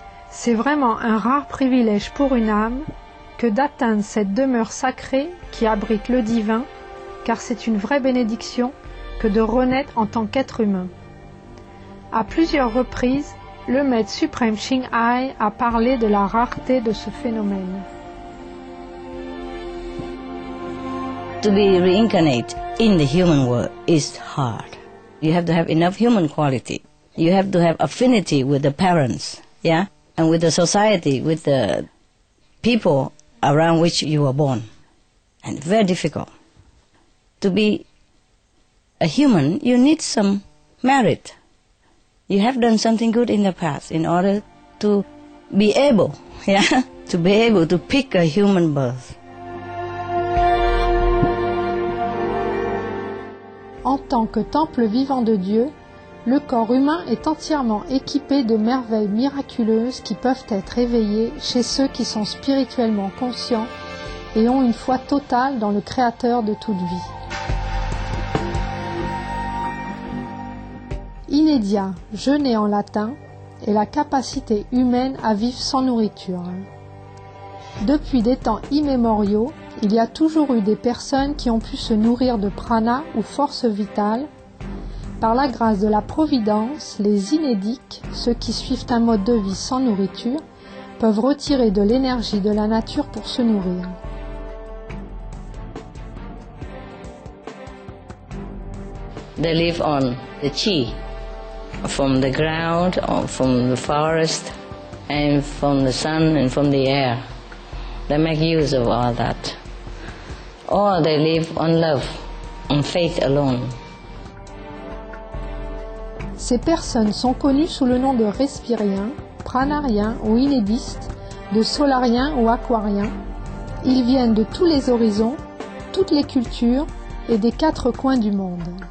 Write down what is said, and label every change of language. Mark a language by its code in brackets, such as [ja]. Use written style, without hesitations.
[fr] C'est vraiment un rare privilège pour une âme que d'atteindre cette demeure sacrée qui abrite le divin, car c'est une vraie bénédiction que de renaître en tant qu'être humain. À plusieurs reprises, le maître suprême Ching Hai a parlé de la rareté de ce phénomène. [en] To be reincarnate in the human world is hard. You have to have enough human quality. You have to have affinity with the parents, yeah? And with the society, with the people around which you were born. And very difficult. To be a human, you need some merit. You have done something good in the past in order to be able, yeah? To be able to pick a human birth. [fr] En tant que temple vivant de Dieu, le corps humain est entièrement équipé de merveilles miraculeuses qui peuvent être éveillées chez ceux qui sont spirituellement conscients et ont une foi totale dans le Créateur de toute vie. Inedia, jeûner en latin, est la capacité humaine à vivre sans nourriture. Depuis des temps immémoriaux, il y a toujours eu des personnes qui ont pu se nourrir de prana ou force vitale. Par la grâce de la Providence, les inédiques, ceux qui suivent un mode de vie sans nourriture, peuvent retirer de l'énergie de la nature pour se nourrir. [en] They live on the chi, from the ground, or from the forest, and from the sun and from the air. They make use of all that. Or they live on love, on faith alone. [fr] Ces personnes sont connues sous le nom de respiriens, pranariens ou inédistes, de solariens ou aquariens. Ils viennent de tous les horizons, toutes les cultures et des quatre coins du monde.